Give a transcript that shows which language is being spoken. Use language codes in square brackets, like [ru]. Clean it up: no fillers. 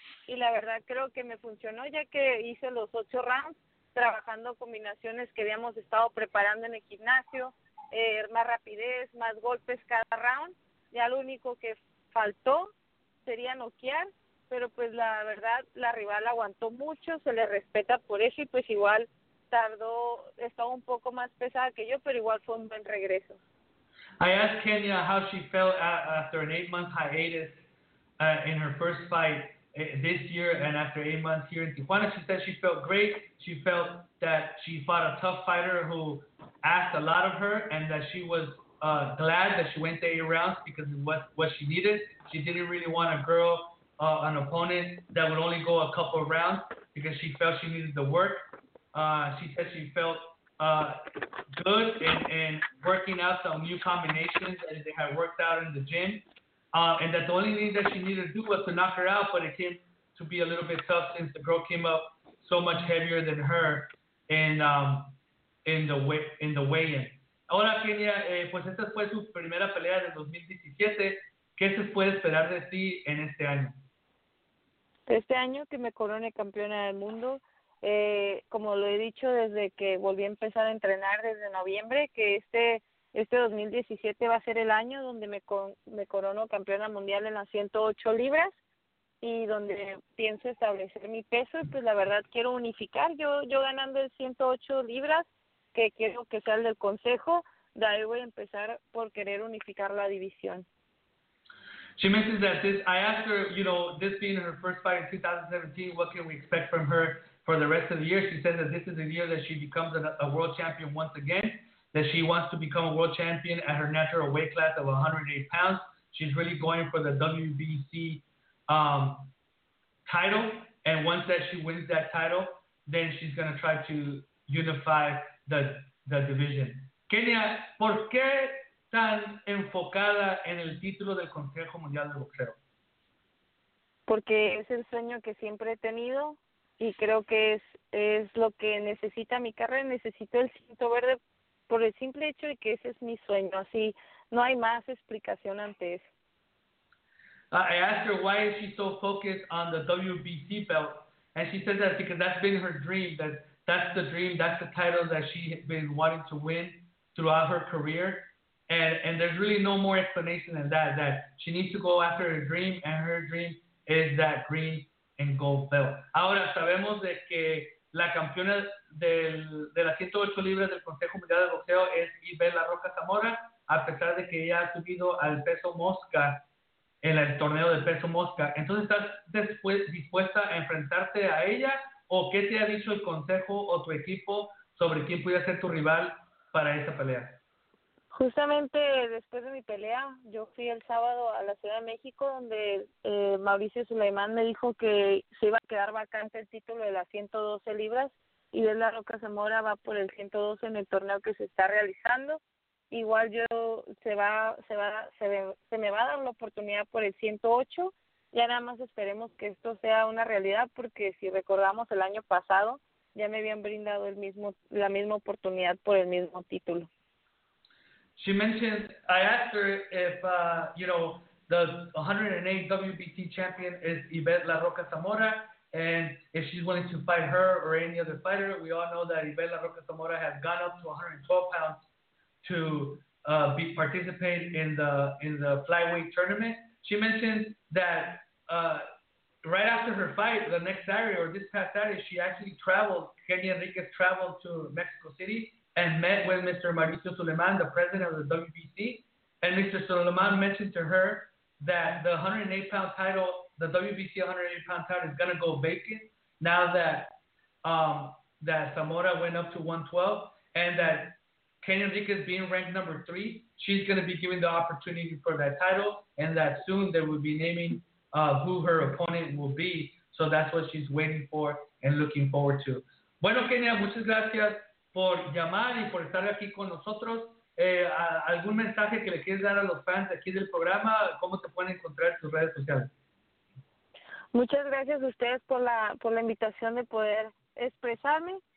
[es] Y la verdad creo que me funcionó, ya que hice los 8 rounds trabajando combinaciones que habíamos estado preparando en el gimnasio, más rapidez, más golpes cada round. Ya lo único que faltó sería noquear, pero pues la verdad la rival aguantó mucho, se le respeta por eso, y pues igual tardó, estaba un poco más pesada que yo, pero igual fue un buen regreso. [en] I asked Kenya how she felt after an 8-month hiatus in her first fight this year, and after 8 months here in Tijuana, she said she felt great. She felt that she fought a tough fighter who asked a lot of her, and that she was glad that she went the 8 rounds because it was what she needed. She didn't really want a girl, an opponent that would only go a couple of rounds, because she felt she needed the work. She said she felt good in working out some new combinations that they had worked out in the gym. And that the only thing that she needed to do was to knock her out, but it came to be a little bit tough since the girl came up so much heavier than her in the weigh-in. [es] Hola, Kenya. Pues esta fue tu primera pelea de 2017. ¿Qué se puede esperar de ti en este año? Este año que me corone campeona del mundo. Como lo he dicho desde que volví a empezar a entrenar desde noviembre, que este 2017 va a ser el año donde me corono campeona mundial en las 108 libras y donde pienso establecer mi peso. Y pues la verdad quiero unificar, yo ganando el 108 libras, que quiero que sea el del consejo, de ahí voy a empezar por querer unificar la división. [en] She mentions that I asked her, you know, this being her first fight in 2017, what can we expect from her for the rest of the year? She says that this is the year that she becomes a world champion once again, that she wants to become a world champion at her natural weight class of 108 pounds. She's really going for the WBC title. And once that she wins that title, then she's going to try to unify the division. [es] Kenya, ¿por qué tan enfocada en el título del Consejo Mundial de Boxeo? Porque es el sueño que siempre he tenido. Y creo que es lo que necesita mi carrera. Necesito el cinto verde por el simple hecho de que ese es mi sueño. Así, no hay más explicación ante eso. [en] I asked her why is she so focused on the WBC belt. And she said that because that's been her dream. That's the dream, that's the title that she has been wanting to win throughout her career. And there's really no more explanation than that, that she needs to go after her dream, and her dream is that green and gold belt. [es] Ahora sabemos de que la campeona de las 108 libras del Consejo Mundial de Boxeo es Isabella Roca Zamora, a pesar de que ella ha subido al peso mosca en el torneo de peso mosca. Entonces, ¿estás después dispuesta a enfrentarte a ella? ¿O qué te ha dicho el consejo o tu equipo sobre quién pudiera ser tu rival para esa pelea? Justamente después de mi pelea, yo fui el sábado a la Ciudad de México, donde Mauricio Sulaimán me dijo que se iba a quedar vacante el título de las 112 libras, y de la Roca Zamora va por el 112 en el torneo que se está realizando. Igual yo se me va a dar la oportunidad por el 108, ya nada más esperemos que esto sea una realidad, porque si recordamos el año pasado, ya me habían brindado la misma oportunidad por el mismo título. [en] She mentioned, I asked her if, you know, the 108 WBC champion is Yvette La Roca Zamora, and if she's willing to fight her or any other fighter. We all know that Yvette La Roca Zamora has gone up to 112 pounds to be participate in the flyweight tournament. She mentioned that right after her fight, the next Saturday or this past Saturday, she actually traveled, Kenny Enriquez traveled to Mexico City and met with Mr. Mauricio Suleiman, the president of the WBC. And Mr. Suleiman mentioned to her that the 108-pound title, the WBC 108-pound title, is going to go vacant now that that Zamora went up to 112, and that Kenny Enriquez being ranked number 3, she's going to be given the opportunity for that title, and that soon they will be naming who her opponent will be. So that's what she's waiting for and looking forward to. [es] Bueno, Kenya, muchas gracias por llamar y por estar aquí con nosotros. ¿Algún mensaje que le quieres dar a los fans aquí del programa? ¿Cómo te pueden encontrar en tus redes sociales? Muchas gracias a ustedes por la invitación de poder expresarme.